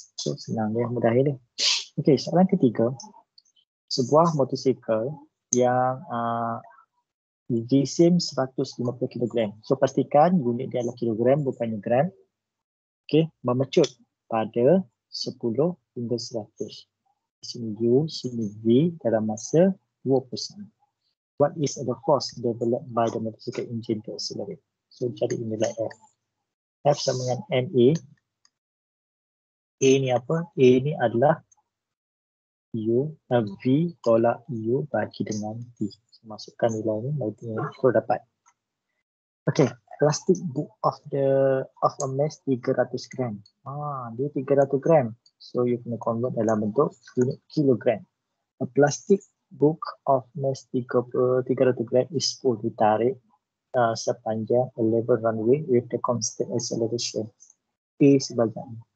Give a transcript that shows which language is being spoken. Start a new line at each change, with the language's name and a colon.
Malay: So senang dia, mudah dia. Okay, soalan ketiga. Sebuah motosikal yang jisim 150 kg. So pastikan unit dia adalah kilogram bukannya gram. Okay, memecut pada 10 hingga 100. Sini U, sini V dalam masa 20 saat.
English: What is the force developed by the motorcycle engine to accelerate?
Malay: So jadi inilah F. F sama dengan MA. A ni apa? A ni adalah U, V tolak U bagi dengan T. So, masukkan nilai ni, bagi dengan U dapat.
English: Okay, plastic book of the of a mass 300 gram.
Malay: Dia 300 gram. So you kena convert dalam bentuk unit kilogram.
English: A plastic book of mass 300 gram is pulled,
Malay: ditarik sepanjang
English: a level runway with the constant acceleration P sebagainya.